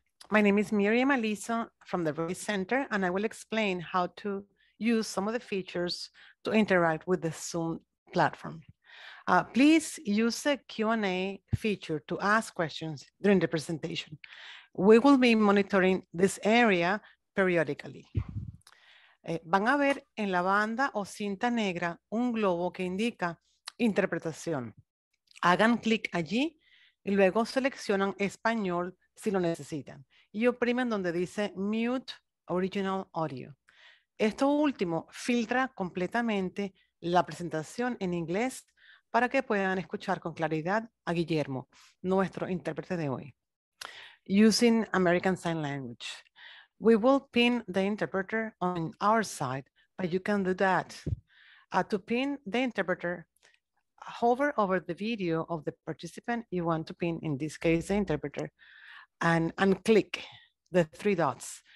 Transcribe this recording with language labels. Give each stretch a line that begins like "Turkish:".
English: My name is Miriam Alisa from the Voice Center, and I will explain how to use some of the features to interact with the Zoom platform. Please use the Q&A feature to ask questions during the presentation. We will be monitoring this area periodically.
Spanish: Van a ver en la banda o cinta negra un globo que indica interpretación. Hagan clic allí y luego seleccionan español si lo necesitan y oprimen donde dice
English: mute original audio.
Spanish: Esto último filtra completamente la presentación en inglés para que puedan escuchar con claridad a Guillermo, nuestro intérprete de hoy.
English: Using American Sign Language. We will pin the interpreter on our side, but you can do that. To pin the interpreter, hover over the video of the participant you want to pin, in this case, the interpreter, and click the three dots.